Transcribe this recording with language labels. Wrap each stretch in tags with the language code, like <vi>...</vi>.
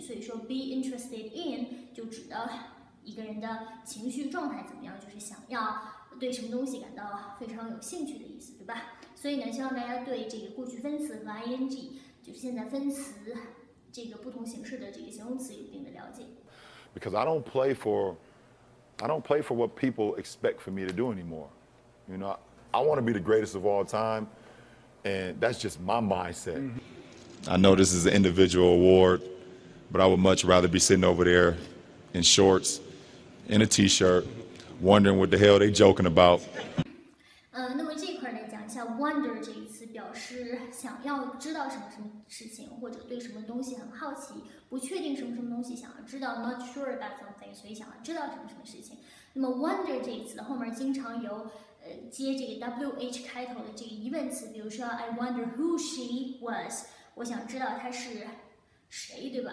<zh>所以说 be interested in 就指的一个人的情绪状态怎么样，就是想要对什么东西感到非常有兴趣的意思，对吧？所以呢，希望大家对这个过去分词和 ing 就现在分词这个不同形式的这个形容词有一定的了解。</zh> <en>Because I don't play for what people expect for me to do anymore. You know, I want to be the greatest of all time, and that's just my mindset. I know this is an individual award, but I would much rather be sitting over there in shorts, in a t-shirt, wondering what the hell they joking about.</en> <zh>那么这块来讲一下 wonder 这一词，表示想要知道什么什么事情，或者对什么东西很好奇。不确定什么什么东西，想要知道</zh> <en>not sure about something，</en> <zh>所以想要知道什么什么事情。那么 wonder 这一词的后面经常有接这个 wh 开头的这个疑问词，比如说</zh> <en>I wonder who she was，</en> <zh>我想知道她是谁，对吧？</zh>